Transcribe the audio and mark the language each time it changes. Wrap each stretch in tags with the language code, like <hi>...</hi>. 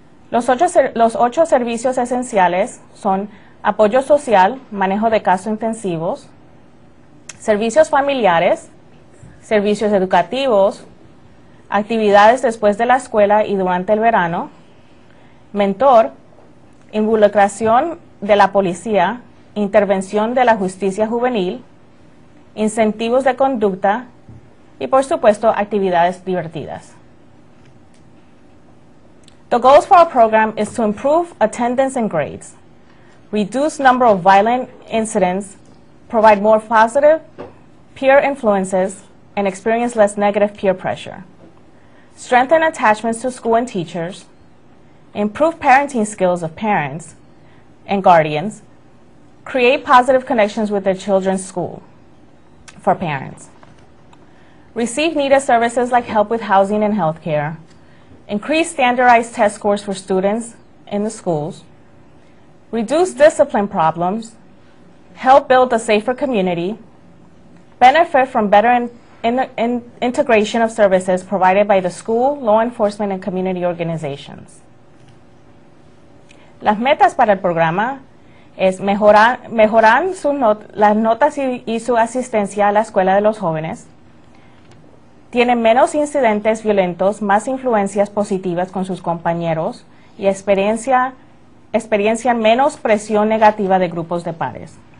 <es>Los ocho servicios esenciales son apoyo social, manejo de casos intensivos, servicios familiares, servicios educativos, actividades después de la escuela y durante el verano, mentor, involucración de la policía, intervención de la justicia juvenil, incentivos de conducta y, por supuesto, actividades divertidas.</es> <en>The goals for our program is to improve attendance and grades, reduce number of violent incidents, provide more positive peer influences, and experience less negative peer pressure, strengthen attachments to school and teachers, improve parenting skills of parents and guardians, create positive connections with their children's school, for parents. receive needed services like help with housing and health care, increase standardized test scores for students in the schools, reduce discipline problems, help build a safer community, benefit from better integration of services provided by the school, law enforcement, and community organizations.</en> <es>Las metas para el programa es mejorar las notas y su asistencia a la escuela de los jóvenes. Tienen menos incidentes violentos, más influencias positivas con sus compañeros y experiencian menos presión negativa de grupos de pares.</es>